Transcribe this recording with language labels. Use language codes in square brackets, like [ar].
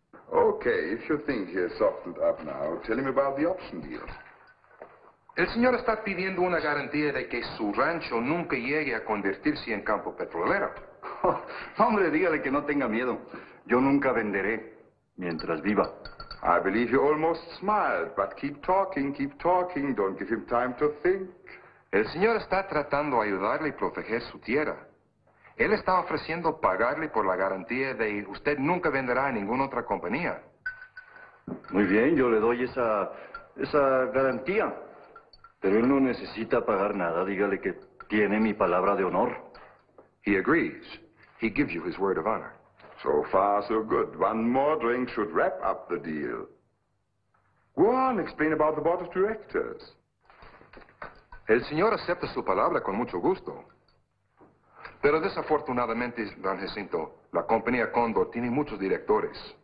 [en] Okay, if you think he has softened up now, tell him about the option deal. [es] El señor está pidiendo una garantía de que su rancho nunca llegue a convertirse en campo petrolero. Oh, hombre, dígale que no tenga miedo. Yo nunca venderé mientras viva. [en] I believe you almost smiled, but keep talking. Don't give him time to think. [es] El señor está tratando de ayudarle y proteger su tierra. Él está ofreciendo pagarle por la garantía de que usted nunca venderá a ninguna otra compañía. Muy bien, yo le doy esa garantía. Pero él no necesita pagar nada. Dígale que tiene mi palabra de honor. [en] He agrees. He gives you his word of honor. So far, so good. One more drink should wrap up the deal. Go on, explain about the board of directors. [es] El señor acepta su palabra con mucho gusto. Pero desafortunadamente, don Jacinto, la compañía Cóndor tiene muchos directores.